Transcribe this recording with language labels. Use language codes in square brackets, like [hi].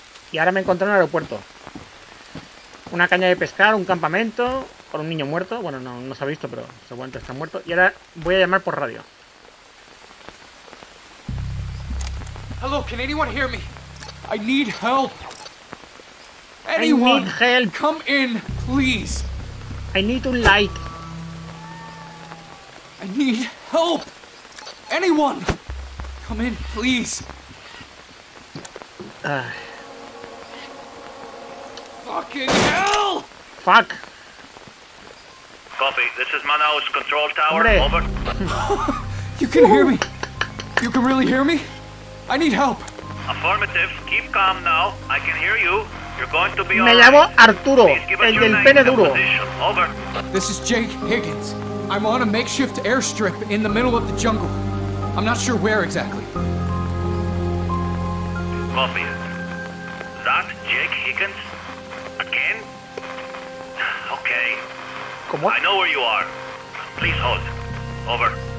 [es] Y ahora me he encontrado en el aeropuerto. Una caña de pescar, un campamento, con un niño muerto. Bueno, no, no se ha visto, pero seguramente está muerto. Y ahora voy a llamar por radio. [en] Hello, can anyone hear me? I need help. Anyone? I need help. Come in, please. I need a light. I need help. Anyone? Come in, please. Fucking hell! Fuck. Copy. This is Manaus control tower. [es] Hombre. Over. [en] You can hear me. You can really hear me. I need help. Affirmative. Keep calm now. I can hear you. You're going to be me all right. [es] Llamo Arturo, el del pene duro. [en] Over. This is Jake Higgins. I'm on a makeshift airstrip in the middle of the jungle. I'm not sure where exactly. Copy. That Jake Higgins? Again? Okay. Come on. I know where you are. Please hold. Over.